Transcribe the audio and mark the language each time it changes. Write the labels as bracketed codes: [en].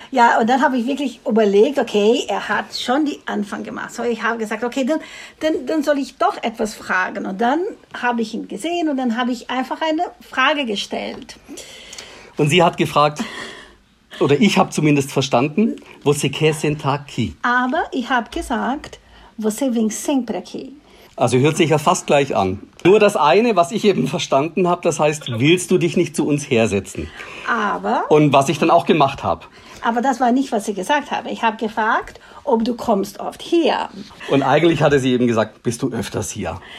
[de] Ja, und dann habe ich wirklich überlegt, okay, er hat schon die Anfang gemacht. So, ich habe gesagt, okay, dann soll ich doch etwas fragen. Und dann habe ich ihn gesehen und dann habe ich einfach eine Frage gestellt. Und sie hat gefragt, oder ich habe zumindest verstanden, [pt] você quer sentar aqui? [de] Aber ich habe gesagt, [pt] você vem sempre aqui. [de] Also hört sich ja fast gleich an. Nur das eine, was ich eben verstanden habe, das heißt, willst du dich nicht zu uns hersetzen? Aber... Und was ich dann auch gemacht habe. Aber das war nicht, was sie gesagt habe. Ich habe gefragt, ob du kommst oft hier. Und eigentlich hatte sie eben gesagt, bist du öfters hier?